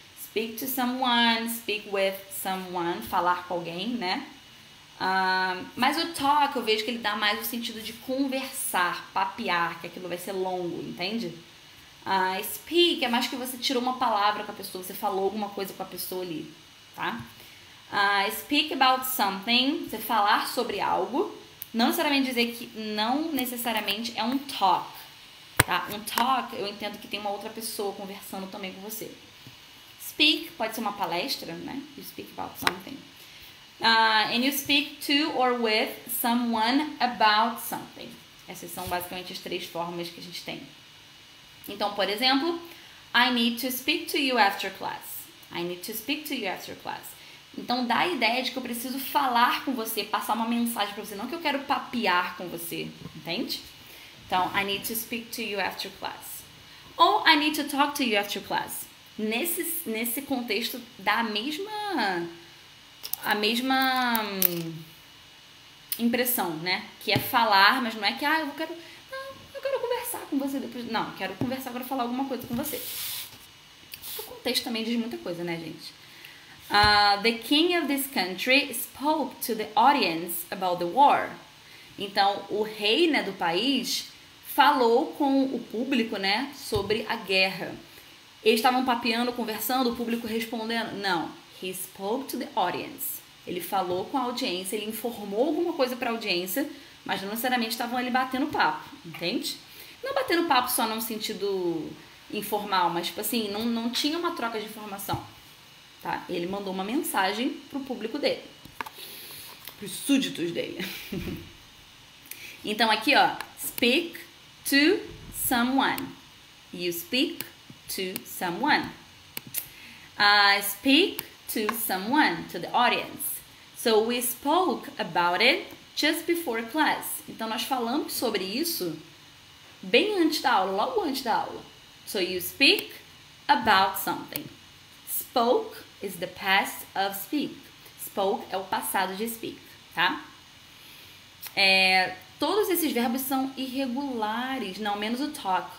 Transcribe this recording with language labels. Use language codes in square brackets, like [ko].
[en] Speak to someone, speak with someone, [pt] falar com alguém, né? Mas o talk eu vejo que ele dá mais o sentido de conversar, papear, que aquilo vai ser longo, entende? Speak é mais que você tirou uma palavra com a pessoa, você falou alguma coisa com a pessoa ali, tá? Speak about something, você falar sobre algo, não necessariamente dizer que não necessariamente é um talk, tá? Um talk eu entendo que tem uma outra pessoa conversando também com você. Speak pode ser uma palestra, né? [en] You speak about something. And you speak to or with someone about something. [pt] Essas são basicamente as três formas que a gente tem. Então, por exemplo, [en] I need to speak to you after class. I need to speak to you after class. [pt] Então, dá a ideia de que eu preciso falar com você, passar uma mensagem para você, não que eu quero papear com você, entende? [en] Então, I need to speak to you after class. Ou I need to talk to you after class. [pt] Nesse contexto dá a mesma impressão, né? Que é falar, mas não é que ah, eu quero, não, eu quero conversar com você depois. Não, quero conversar agora, falar alguma coisa com você. O contexto também diz muita coisa, né, gente? [en] The king of this country spoke to the audience about the war. [pt] Então, o rei, né, do país falou com o público, né, sobre a guerra. Eles estavam papeando, conversando, o público respondendo. Não. [en] He spoke to the audience. [pt] Ele falou com a audiência, ele informou alguma coisa para a audiência, mas não necessariamente estavam ali batendo papo, entende? Não batendo papo só num sentido informal, mas tipo assim, não tinha uma troca de informação, tá? Ele mandou uma mensagem pro público dele, pros súditos dele. Então aqui, ó, [en] speak to someone. You speak to someone. Speak to someone, to the audience. So we spoke about it just before class. [pt] Então nós falamos sobre isso bem antes da aula, logo antes da aula. [en] So you speak about something. Spoke is the past of speak. [pt] Spoke é o passado de speak, tá? Todos esses verbos são irregulares, não menos o talk.